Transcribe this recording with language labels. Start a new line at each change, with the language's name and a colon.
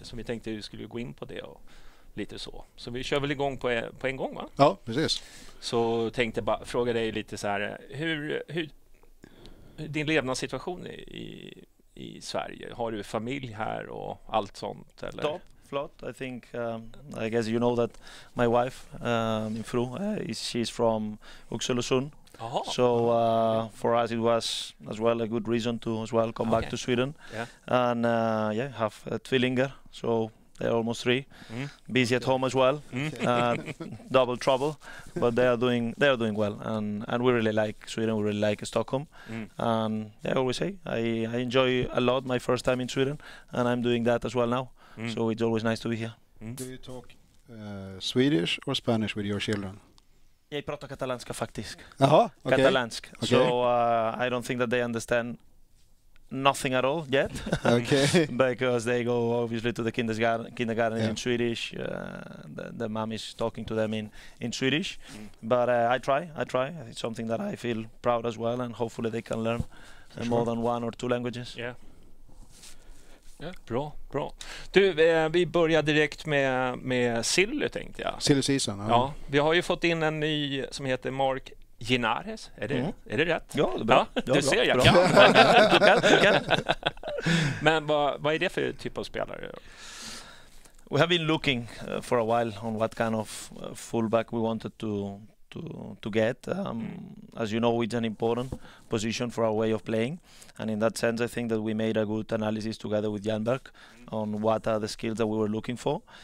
Swedish: Så vi tänkte att vi skulle gå in på det och lite så. Så vi kör väl igång på en gång, va? Ja, precis. Så tänkte jag bara fråga dig lite så här. Hur din levnadssituation är i Sverige, har du familj här och allt sånt eller? Top, flott.
English: I think I guess you know that my wife
Swedish: min fru
English: she's from Oxelösund. So for us it was as well a good reason to as well come back to Sweden. Yeah. And yeah, have a
Swedish: tvillingar,
English: so they're almost three. Mm. Busy at home as well. Mm. double trouble, but they are doing well, and we really like Sweden. We really like Stockholm. Mm. And yeah, I always say I enjoy a lot my first time in Sweden, and I'm doing that as well now. Mm. So it's always nice to be here. Mm. Do you talk Swedish or Spanish with your children?
Swedish: Jag pratar katalanska faktisk. Aha, okay. Katalansk. Okay.
English: So I don't think that they understand nothing at all yet. Okay. Because they go obviously to the kindergarten in Swedish. The mom is talking to them in Swedish. Mm. But I try. It's something that I feel proud as well, and hopefully they can learn more than one or two languages.
Swedish: Yeah. Bra, bra. Du, vi börjar direkt med Silly, tänkte jag. Silly season. Ja, vi har ju fått in en ny som heter Mark Ginares, är det rätt? Ja, det är bra. Ja, du bra. Ser, jag bra. Kan. Du kan, du kan. Men vad är det för typ av spelare?
English: We have been looking for a while on what kind of fullback we wanted to get. As you know, it's an important position for our way of playing. And in that sense, I think that we made a good analysis together with Janberg on what are the skills that we were looking for.